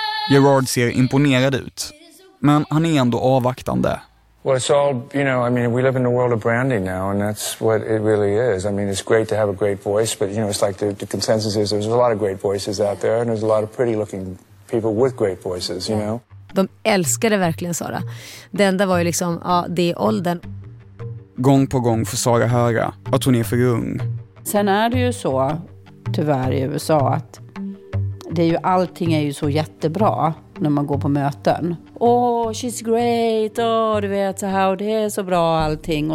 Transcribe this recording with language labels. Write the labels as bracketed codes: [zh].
[sv] Gerard ser imponerad ut, men han är ändå avvaktande. [en] Well, it's all, you know, I mean, we live in a world of branding now, and that's what it really is. I mean, it's great to have a great voice, but you know, it's like the consensus is there's a lot of great voices out there, and there's a lot of pretty-looking people with great voices, you know. [sv] De älskade verkligen Sara. Det enda var ju liksom, ja, det är åldern. Gång på gång får Sara höra att hon är för ung. Sen är det ju så, tyvärr i USA, att det är ju, allting är ju så jättebra när man går på möten. Åh, [en] oh, she's great. [sv] Åh, oh, du vet så här, det är så bra allting.